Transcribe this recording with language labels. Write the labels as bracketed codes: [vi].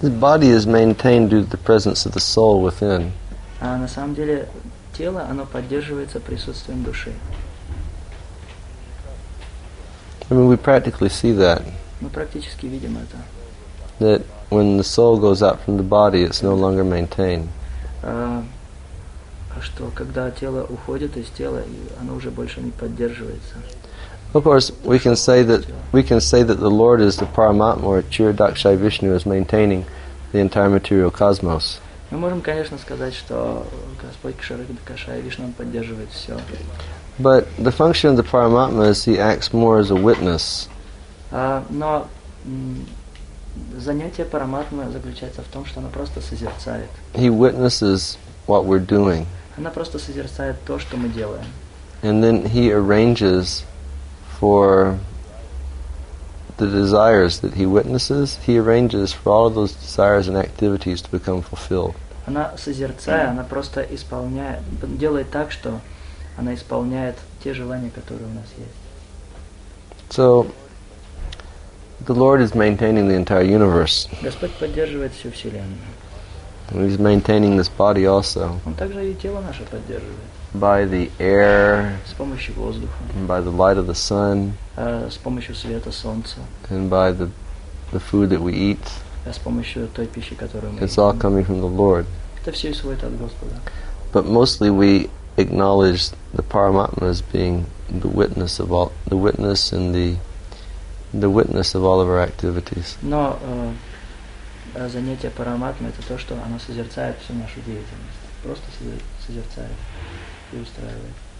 [en] This body is maintained due to the presence of the soul within. [ru] А на самом деле тело оно поддерживается присутствием души. [en] I mean, we practically see that. [ru] Мы практически видим это. [en] That when the soul goes out from the body, it's no longer maintained. [ru] Что когда тело уходит из тела, оно уже больше не поддерживается. [en] Of course, we can say that the Lord is the Paramatma, or Chiradakshai Vishnu, is maintaining the entire material cosmos. [ru] Мы можем, конечно, сказать, что Господь Чирадакшай Вишну поддерживает все. [en] But the function of the Paramatma is he acts more as a witness. [ru] Но занятие Параматмы заключается в том, что она просто созерцает. [en] He witnesses what we're doing. [ru] Она просто созерцает то, что мы делаем. [en] And then he arranges for the desires that he witnesses, he arranges for all of those desires and activities to become fulfilled. [ru] Она созерцая, она просто исполняет, делает так, что она исполняет те желания, которые у нас есть. [en] So, the Lord is maintaining the entire universe. [ru] Господь поддерживает всю вселенную. [en] He's maintaining this body also. [ru] Он также и тело наше поддерживает. [en] By the air. [ru] С помощью воздуха. [en] And by the light of the sun. [ru] С помощью света солнца. [en] And by the food that we eat. [ru] С помощью той пищи, которую мы едим. [en] It's all coming from the Lord. [ru] Это все исходит от Господа. [en] But mostly we acknowledge the Paramatma as being the witness of all, the witness and the witness of all of our activities. [ru] Но занятие Параматма это то, что оно созерцает всю нашу деятельность. Просто созерцает и устраивает.